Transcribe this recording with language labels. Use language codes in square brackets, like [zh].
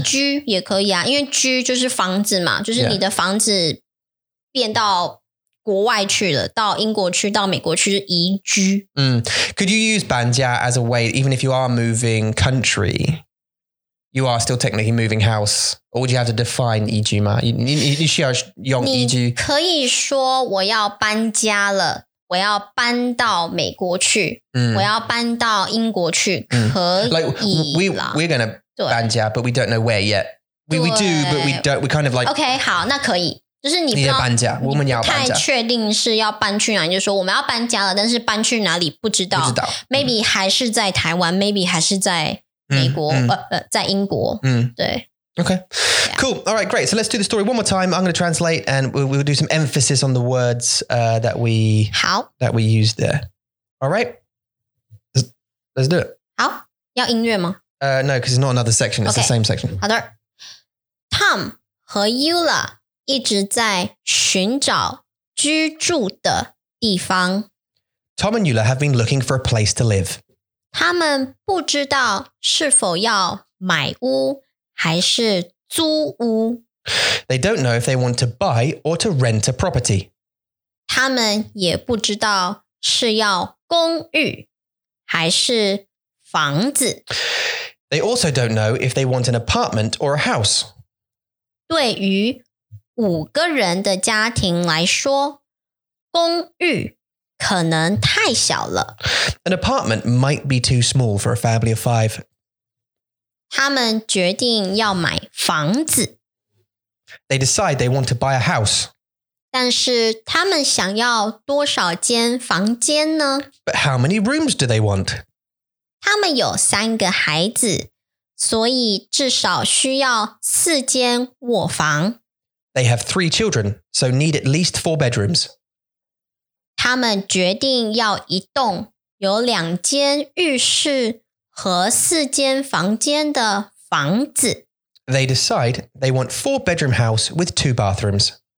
[zh] 移居也可以啊因为居就是房子嘛就是你的房子变到国外去了到英国去到美国去移居。 [en] Could you use 搬家 as a way, even if you are moving country, you are still technically moving house, or would you have to define [zh] 移居吗 你需要用移居。你可以说我要搬家了我要搬到美国去我要搬到英国去可以啦。 [en] We're going to 搬家 but we don't know where yet. We do, but we don't, we kind of like... [zh] Okay, 好那可以。就是你不知道搬家我们要搬家你不太确定是要搬去哪里就是说我们要搬家了但是搬去哪里不知道。不知道。 Maybe 还是在台湾maybe 还是在美国在英国。对。 [en] Okay. Yeah. Cool. All right, great. So let's do the story one more time. I'm going to translate and we'll do some emphasis on the words that we used there. All right. Let's do it. [zh] 好要音乐吗 [en] No, because it's not another section. It's the same section. [zh] 好的。Tom 和 Eula. 一直在寻找居住的地方。 [en] Tom and Eula have been looking for a place to live. [zh] 他们不知道是否要买屋还是租屋。 [en] They don't know if they want to buy or to rent a property. [zh] 他们也不知道是要公寓还是房子。 [en] They also don't know if they want an apartment or a house. [zh] 对于五个人的家庭来说，公寓可能太小了。 [en] An apartment might be too small for a family of five. [zh] 他们决定要买房子。 [en] They decide they want to buy a house. [zh] 但是他们想要多少间房间呢？ [en] But how many rooms do they want? [zh] 他们有三个孩子，所以至少需要四间卧房。 [en] They have three children, so need at least four bedrooms. [zh] 他们决定要一栋有两间浴室和四间房间的房子。 [en] They decide they want four bedroom house with two bathrooms.